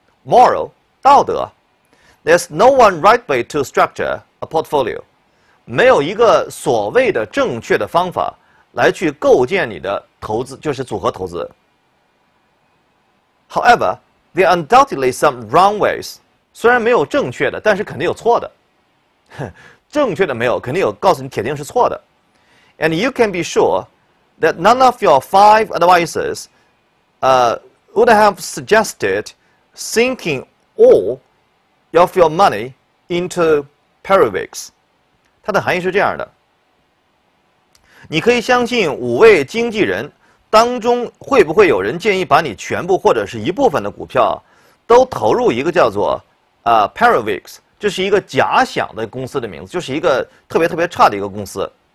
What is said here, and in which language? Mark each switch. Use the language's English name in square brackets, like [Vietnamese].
[Chinese] Moral 道德 ， [English] There's no one right way to structure a portfolio， [Chinese] 没有一个所谓的正确的方法来去构建你的投资，就是组合投资。 [English] However， there are undoubtedly some wrong ways。 [Chinese] 虽然没有正确的，但是肯定有错的。正确的没有，肯定有告诉你铁定是错的。 [English] And you can be sure that none of your five advisors, would have suggested sinking all of your money into Perivix. [Chinese] 它的含义是这样的：你可以相信五位经纪人当中，会不会有人建议把你全部或者是一部分的股票都投入一个叫做Perivix， 这是一个假想的公司的名字，就是一个特别特别差的一个公司。